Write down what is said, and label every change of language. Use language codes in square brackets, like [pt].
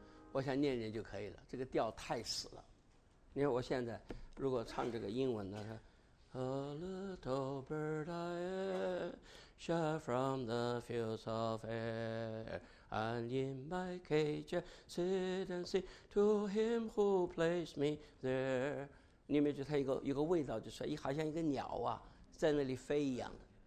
[zh] 我想念念就可以了，这个调太死了。你看我现在如果唱这个英文呢， [en] A little bird I shot from the fields of air, and in my cage sit and sing to him who placed me there。 [zh] 你们觉得它有个味道就出来，好像一个鸟啊在那里飞一样的。